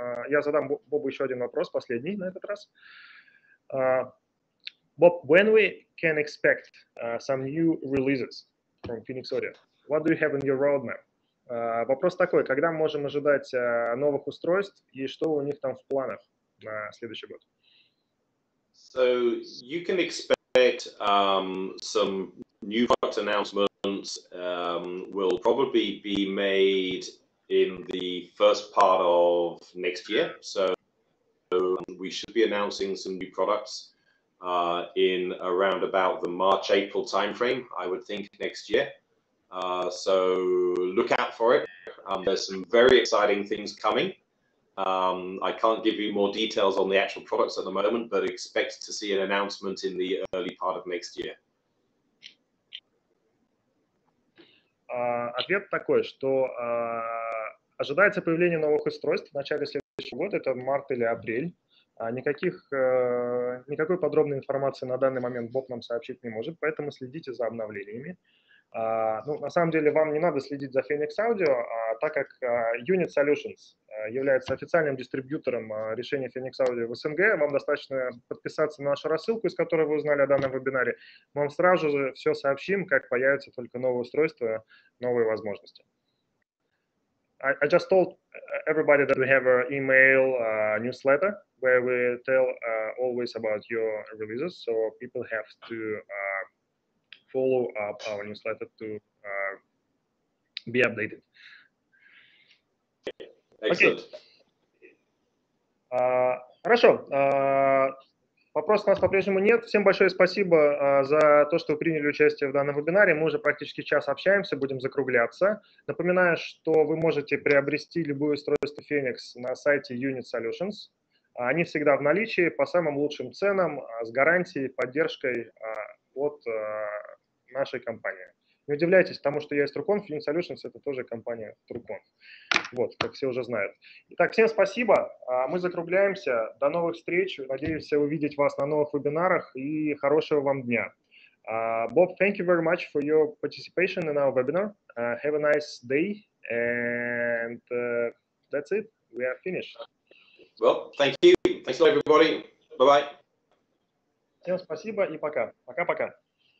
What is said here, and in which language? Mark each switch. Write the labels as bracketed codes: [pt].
[ru] Я задам Бобу еще один вопрос, последний на этот раз. [en] Bob, when we can expect some new releases from Phoenix Audio? What do you have in your roadmap? [ru] Вопрос такой, когда мы можем ожидать новых устройств и что у них там в планах на следующий год? [en] So you can expect some new product announcements will probably be made in the first part of next year. So we should be announcing some new products in around about the March-April timeframe, I would think, next year. So look out for it. There's some very exciting things coming. I can't give you more details on the actual products at the moment, but expect to see an announcement in the early part of next year. [ru] Ответ такой, что ожидается появление новых устройств в начале следующего года, это март или апрель. Никакой подробной информации на данный момент Боб нам сообщить не может, поэтому следите за обновлениями. Ну, на самом деле, вам не надо следить за Phoenix Audio, так как Unit Solutions является официальным дистрибьютором решения Phoenix Audio в СНГ. Вам достаточно подписаться на нашу рассылку, из которой вы узнали о данном вебинаре. Мы вам сразу же все сообщим, как появятся только новые устройства, новые возможности. [en] I just told everybody that we have an email newsletter where we tell always about your releases, so people have to follow up our newsletter to be updated. [ru] Хорошо. Вопросов у нас по-прежнему нет. Всем большое спасибо за то, что вы приняли участие в данном вебинаре. Мы уже практически час общаемся, будем закругляться. Напоминаю, что вы можете приобрести любое устройство Phoenix на сайте Unit Solutions. Они всегда в наличии, по самым лучшим ценам, с гарантией, поддержкой от нашей компании. Не удивляйтесь, потому что я из TrueConf, Phoenix Solutions – это тоже компания TrueConf. Вот, как все уже знают. Итак, всем спасибо. Мы закругляемся. До новых встреч. Надеемся увидеть вас на новых вебинарах и хорошего вам дня. [en] Bob, thank you very much for your participation in our webinar. Have a nice day. And that's it. We are finished. Well, thank you. Thanks a lot, everybody. Bye-bye. [ru] Всем спасибо и пока. Пока-пока.